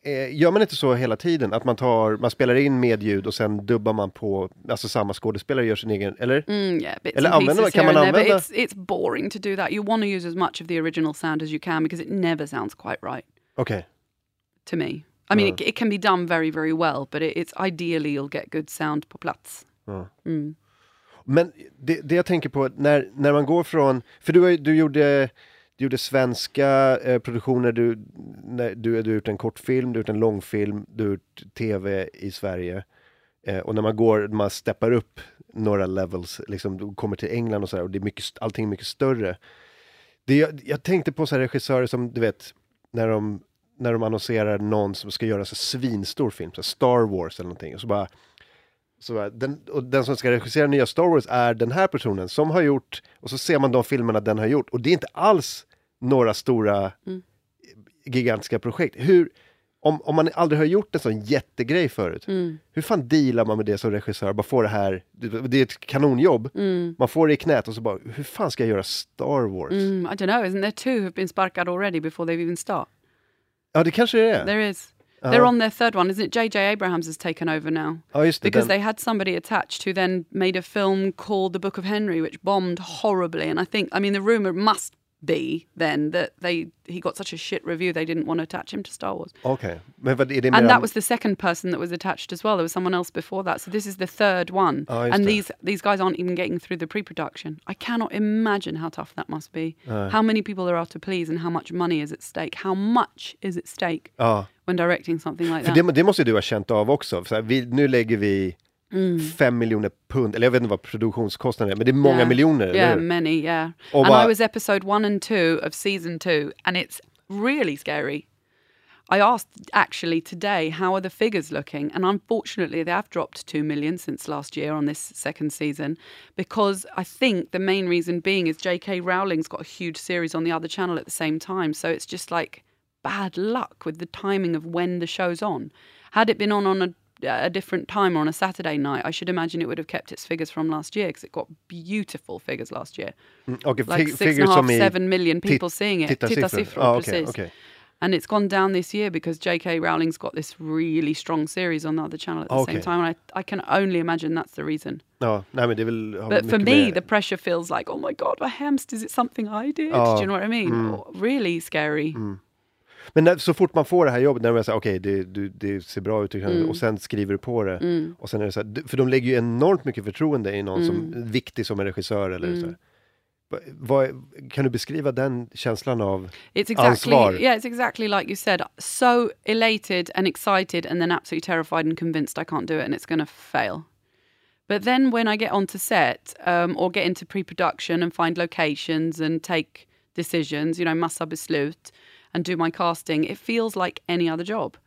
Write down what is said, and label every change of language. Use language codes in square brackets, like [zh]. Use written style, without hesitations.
[sv] Gör man inte så hela tiden? Att man spelar in med ljud och sen dubbar man på... Alltså samma skådespelare gör sin egen... Eller? Eller använder man, kan man använda... [en] But it's boring to do that. You want to use as much of the original sound as you can because it never sounds quite right. Okay. To me. I mean, it can be done very, very well, but it's ideally you'll get good sound [sv] på plats. Mm. Men det jag tänker på, när man går från... För du gjorde svenska produktioner, du har gjort en kortfilm, du har gjort en långfilm, du har gjort tv i Sverige. Och när man går, man steppar upp några levels, liksom, du kommer till England och sådär, och det är mycket, allting är mycket större. Jag tänkte på så här regissörer som, du vet, när de annonserar någon som ska göra så svinstor film, så Star Wars eller någonting, och så bara den som ska regissera nya Star Wars är den här personen som har gjort, och så ser man de filmerna den har gjort, och det är inte alls några stora gigantiska projekt. Om man aldrig har gjort en sån jättegrej förut, hur fan dealar man med det som regissör? Bara får det här, det är ett kanonjobb. Mm. Man får det i knät och så bara, hur fan ska jag göra Star Wars? [en] I don't know, isn't there two who've been sparked already before they've even started? [sv] Ja, det kanske är. [en] There is. They're on their third one, isn't it? J.J. Abrams has taken over now. [sv] Oh, just det. [en] Because they had somebody attached who then made a film called The Book of Henry, which bombed horribly. And I mean, the rumor must be then that he got such a shit review they didn't want to attach him to Star Wars. Okay. And that was the second person that was attached as well. There was someone else before that. So this is the third one. Oh, just and that. these guys aren't even getting through the pre-production. I cannot imagine how tough that must be. How many people there are to please and how much money is at stake. How much is at stake when directing something like that? [sv] För det måste du ha känt av också. Så här, nu lägger vi 5 miljoner pund, eller jag vet inte vad produktionskostnaden är, men det är många miljoner. [en] Yeah, many, yeah. [sv] Och [en] and bara... I was episode 1 and 2 of season 2 and it's really scary. I asked actually today, how are the figures looking? And unfortunately, they have dropped 2 million since last year on this second season, because I think the main reason being is J.K. Rowling's got a huge series on the other channel at the same time. So it's just like bad luck with the timing of when the show's on. Had it been on a different time or on a Saturday night, I should imagine it would have kept its figures from last year, because it got beautiful figures last year. Okay, like 6.5-7 million people seeing it. [sv] Titta siffror, precis. [en] And it's gone down this year because J.K. Rowling's got this really strong series on the other channel at the same time. And I can only imagine that's the reason. But for me, the pressure feels like, oh my God, my hamster, is it something I did? Oh. Do you know what I mean? Mm. Really scary. Mm. [sv] Men när, så fort man får det här jobbet, när man säger okej, det ser bra ut, och sen skriver du på det. Mm. Och sen är det så här, för de lägger ju enormt mycket förtroende i någon som är viktig som en regissör eller så. Vad kan du beskriva den känslan av ansvar? [en] Yeah, it's exactly like you said. So elated and excited and then absolutely terrified and convinced I can't do it and it's going to fail. But then when I get onto set or get into pre-production and find locations and take decisions, you know, [sv] massa beslut [en] and do my casting, it feels like any other job.